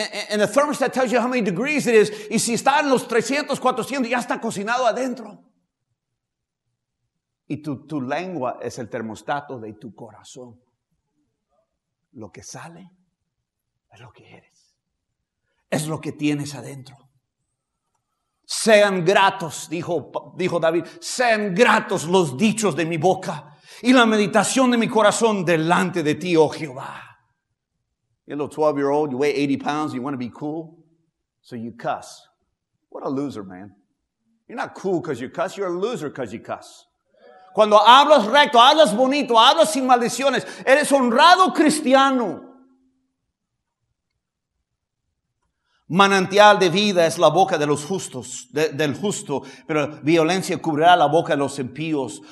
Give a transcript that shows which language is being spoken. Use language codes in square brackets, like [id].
[en] And the thermostat tells you how many degrees it is. [es] Y si está en los 300, 400, ya está cocinado adentro. Y tu lengua es el termostato de tu corazón. Lo que sale es lo que eres. Es lo que tienes adentro. Sean gratos, dijo David, sean gratos los dichos de mi boca y la meditación de mi corazón delante de ti, oh Jehová. [en] You're a little 12-year-old, you weigh 80 pounds, you want to be cool, so you cuss. What a loser, man. You're not cool because you cuss, you're a loser because you cuss. [es] Cuando hablas recto, hablas bonito, hablas sin maldiciones, eres honrado cristiano. Manantial de vida es la boca de los justos, del justo, pero violencia cubrirá la boca de los impíos.